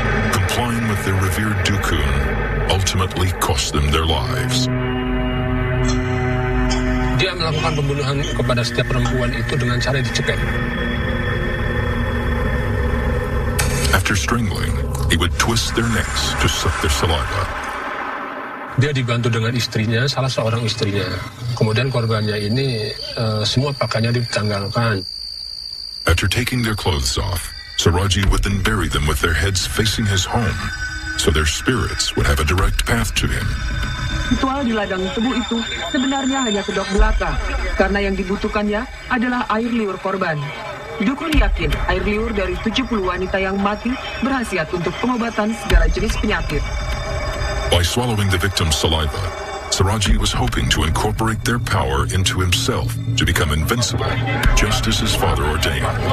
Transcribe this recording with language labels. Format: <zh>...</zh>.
<en>Complying with their revered Dukun ultimately cost them their lives.</en> <id>Dia melakukan pembunuhan kepada setiap perempuan itu dengan cara dicekek.</id> <en>After strangling, he would twist their necks to suck their saliva.</en> <id>Dia dibantu dengan istrinya, salah seorang istrinya. Kemudian korbannya ini semua pakaiannya ditanggalkan.</id> <en>After taking their clothes off, Suradji would then bury them with their heads facing his home, so their spirits would have a direct path to him.</en> <id>Ritual di ladang tebu itu sebenarnya hanya kedok belaka, karena yang dibutuhkannya adalah air liur korban. Dukun yakin air liur dari 70 wanita yang mati berhasiat untuk pengobatan segala jenis penyakit.</id> <en>By swallowing the victim's saliva, Suradji was hoping to incorporate their power into himself to become invincible, just as his father ordained.</en>